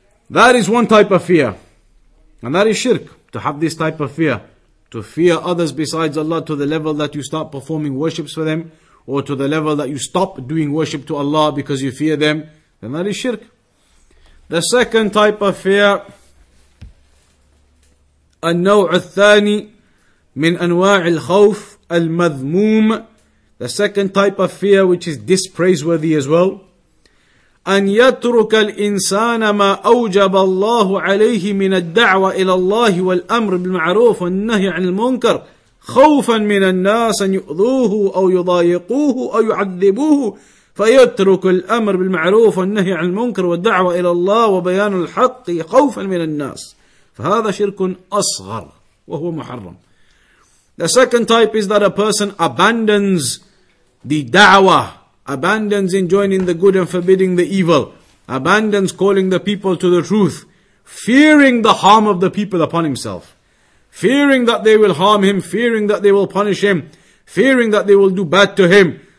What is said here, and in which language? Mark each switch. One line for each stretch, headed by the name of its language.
English: That is one type of fear. And that is shirk, to have this type of fear. To fear others besides Allah to the level that you start performing worships for them, or to the level that you stop doing worship to Allah because you fear them, then that is shirk. The second type of fear,
Arabic: النوع الثاني من أنواع الخوف المذموم,
English: the second type of fear which is dispraiseworthy as well,
Arabic: أن يترك الإنسان ما أوجب الله عليه من الدعوة إلى الله والأمر بالمعروف والنهي عن المنكر خوفا من الناس أن يؤذوه أو يضايقوه أو يعذبوه فيترك الأمر بالمعروف والنهي عن المنكر والدعوة إلى الله وبيان الحق خوفا من الناس فهذا شرك أصغر وهو محرم.
English: The second type is that a person abandons the da'wah, abandons enjoining the good and forbidding the evil, abandons calling the people to the truth, fearing the harm of the people upon himself, fearing that they will harm him, fearing that they will punish him, fearing that they will do bad to him.